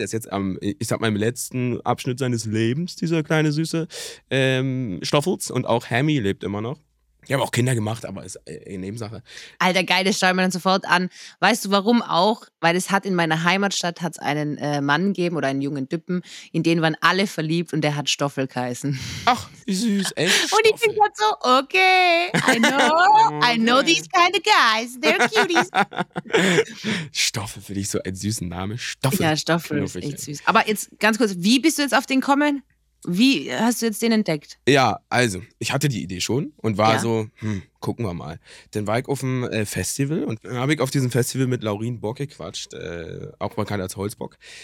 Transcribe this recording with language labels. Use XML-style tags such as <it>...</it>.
<de>Er ist jetzt im letzten Abschnitt seines Lebens, dieser kleine süße Stoffels. Und auch Hammy lebt immer noch. Ich habe auch Kinder gemacht, aber ist eine Nebensache. Alter, geil, das schauen wir dann sofort an. Weißt du, warum auch? Weil es hat in meiner Heimatstadt hat's einen Mann gegeben oder einen jungen Düppen, in den waren alle verliebt und der hat Stoffel geheißen. Ach, wie süß, echt. Und ich bin halt so,</de> <en>okay, I know these kind of guys, they're cuties.</en> <de>Stoffel finde ich so einen süßen Namen. Stoffel. Ja, Stoffel ist echt süß. Aber jetzt ganz kurz, wie bist du jetzt auf den gekommen? Wie hast du jetzt den entdeckt? Ja, also, ich hatte die Idee schon und war so, gucken wir mal. Den Wike auf dem Festival und dann habe ich auf diesem Festival mit Laurin Bock gequatscht, auch bekannt als Holzbock.</de>